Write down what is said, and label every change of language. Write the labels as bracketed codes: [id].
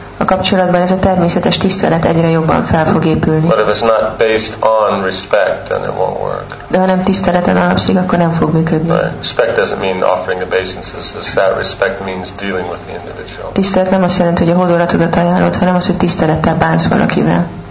[hu] A kapcsolatban ez a természetes tisztelet egyre jobban fel fog épülni. [en] But if it's not based on respect, then it won't work. [hu] De ha nem tiszteleten alapszik, akkor nem fog működni. [en] Right. Respect doesn't mean offering obeisances. That respect means dealing with the individual. [hu] Tisztelet nem azt jelenti, hogy a hódolatodat ajánlod, hanem az, hogy tisztelettel bánsz valakivel.